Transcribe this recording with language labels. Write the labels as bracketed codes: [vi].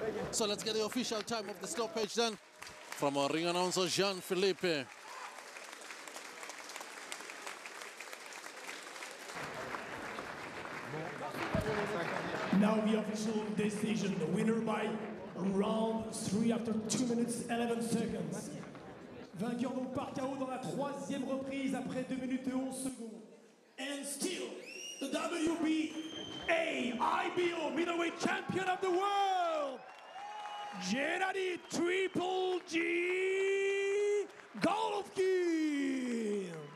[en] So let's get the official time of the stoppage then from our ring announcer Jean-Philippe. Now the official decision, the winner by round 3 after 2 minutes 11 seconds. [fr] Vainqueur donc par KO dans la troisième reprise après 2 minutes et 11 secondes. [en] And still the WBA IBO middleweight champion of the world, Gennady Triple G Golovkin.